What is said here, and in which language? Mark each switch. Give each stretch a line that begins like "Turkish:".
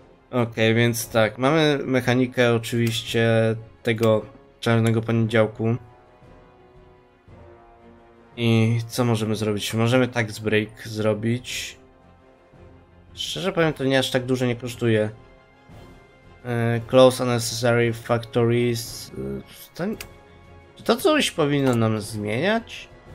Polish: Okej, okay, więc tak. Mamy mechanikę oczywiście tego czarnego poniedziałku. I co możemy zrobić? Możemy
English: tax break
Polish: zrobić. Szczerze powiem, to nie aż tak dużo nie kosztuje.
English: Close unnecessary factories.
Polish: Czy to coś powinno nam zmieniać?